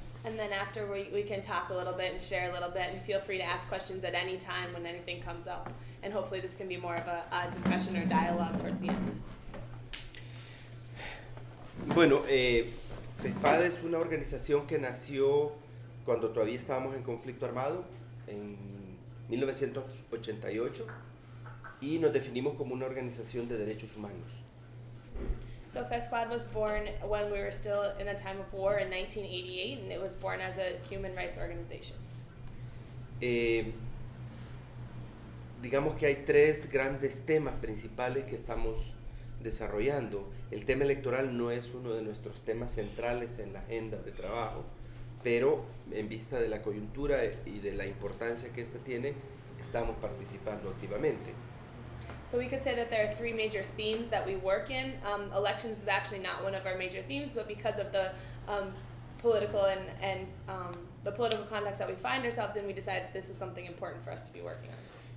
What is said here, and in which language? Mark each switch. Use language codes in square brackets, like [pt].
[en] And then after we can talk a little bit and share a little bit and feel free to ask questions at any time when anything comes up. And hopefully this can be more of a discussion or dialogue towards the end. [es] Bueno, FESPAD es una organización que nació cuando todavía estábamos en conflicto armado en 1988 y nos definimos como una organización de derechos humanos. [en] So FESPAD was born when we were still in a time of war in 1988 and it was born as a human rights organization. [es] Digamos que hay tres grandes temas principales que estamos desarrollando. El tema electoral no es uno de nuestros temas centrales en la agenda de trabajo, pero en vista de la coyuntura y de la importancia que esta tiene, estamos participando activamente. [en] So we could say that there are three major themes that we work in. Elections is actually not one of our major themes, but because of the political and the political context that we find ourselves in, we decided that this was something important for us to be working on.